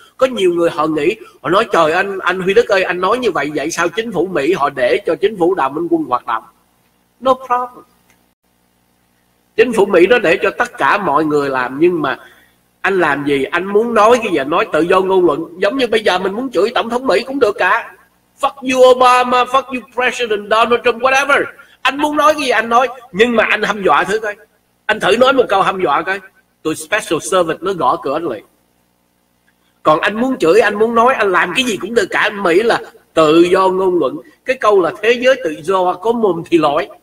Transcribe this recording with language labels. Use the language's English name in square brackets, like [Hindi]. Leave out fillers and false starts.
[Vietnamese] Có nhiều người họ nghĩ, họ nói trời anh Huy Đức ơi, anh nói như vậy vậy sao chính phủ Mỹ họ để cho chính phủ Đào Minh Quân hoạt động? [English] No problem. [Vietnamese] Chính phủ Mỹ nó để cho tất cả mọi người làm, nhưng mà anh làm gì, anh muốn nói cái gì nói tự do ngôn luận. Giống như bây giờ mình muốn chửi tổng thống Mỹ cũng được cả. [English] Fuck you Obama, fuck you President Donald Trump, whatever. [Vietnamese] Anh muốn nói cái gì anh nói, nhưng mà anh hăm dọa thử coi. Anh thử nói một câu hăm dọa coi. Tụi Special Service nó gõ cửa anh liền. Còn anh muốn chửi, anh muốn nói, anh làm cái gì cũng được cả. Mỹ là tự do ngôn luận. Cái câu là thế giới tự do, có mồm thì lỗi.